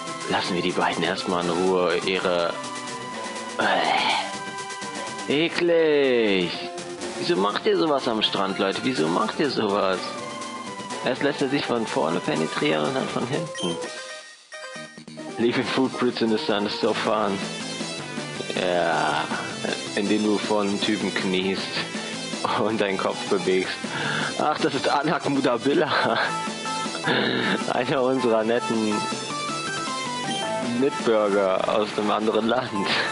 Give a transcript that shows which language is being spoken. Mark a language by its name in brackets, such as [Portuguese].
[German] Lassen wir die beiden erstmal in Ruhe ihre. Eklig! Wieso macht ihr sowas am Strand, Leute? Wieso macht ihr sowas? Erst lässt er sich von vorne penetrieren und dann von hinten. [English] Leaving footprints in the sun is so fun. [German] Ja. Indem du vor einem Typen kniest und deinen Kopf bewegst. Ach, das ist Anak Mudabilla. Einer unserer netten Mitbürger aus einem anderen Land.